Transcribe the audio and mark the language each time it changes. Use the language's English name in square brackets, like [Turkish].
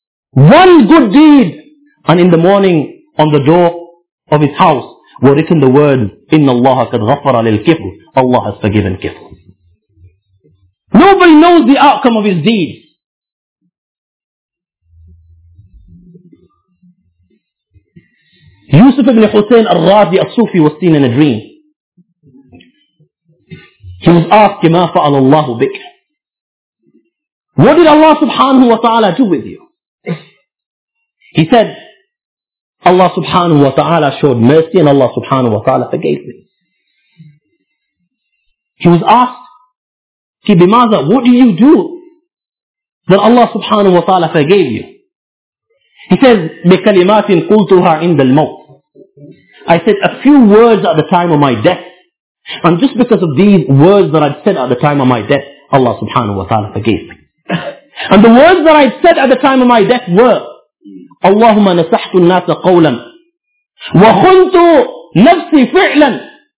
[English] One good deed. And in the morning, on the door of his house, were written the words, [Arabic] إِنَّ اللَّهَ قَدْ غَفَرَ لِلْكِفْلِ. [English] Allah has forgiven Kifl. Nobody knows the outcome of his deeds. Yusuf ibn Hussein al-Radi al-Sufi was seen in a dream. He was asked, [Arabic] مَا فَعَلَ اللَّهُ بِكَ. [English] What did Allah subhanahu wa ta'ala do with you? He said, Allah subhanahu wa ta'ala showed mercy and Allah subhanahu wa ta'ala forgave me. He was asked, [Arabic] بِمَاذَا, [English] what did you do that Allah subhanahu wa ta'ala forgave you? He says, [Arabic] بِكَلِمَاتٍ قُلْتُهَا عِنْدَ الْمَوْتِ. [English] I said a few words at the time of my death. And just because of these words that I'd said at the time of my death, Allah subhanahu wa ta'ala forgave me. And the words that I'd said at the time of my death were, [Arabic] Allahumma nasahtu an-nasa qawlan wa khuntu nafsi fi'lan.